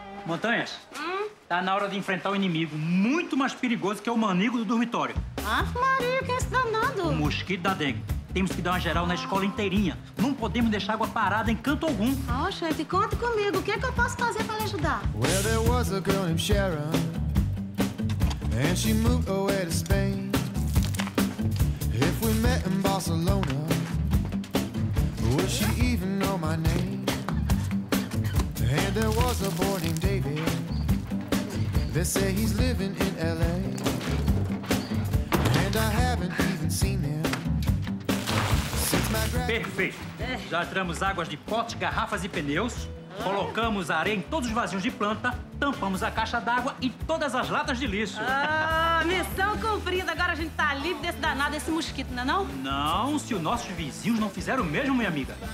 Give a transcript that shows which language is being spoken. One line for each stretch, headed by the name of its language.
Portuguese: Montanhas. Tá na hora de enfrentar um inimigo muito mais perigoso que o manigo do dormitório. Ah, Maria, quem é esse danado? O mosquito da dengue. Temos que dar uma geral na escola inteirinha. Não podemos deixar água parada em canto algum. Oh, chefe, conta comigo. O que é que eu posso fazer pra lhe ajudar?
English: Well, there was a girl named Sharon. And she moved away to Spain. If we met in Barcelona, would she even know my name? And there was a boy named David. They say he's living in L.A. And I haven't even seen him since my graduation.
Portuguese: Perfeito. Já tramos águas de potes, garrafas e pneus. Colocamos areia em todos os vasinhos de planta. Tampamos a caixa d'água e todas as latas de lixo. Missão cumprida. Agora a gente tá livre desse danado, desse mosquito, não é não? Não, se os nossos vizinhos não fizeram o mesmo, minha amiga.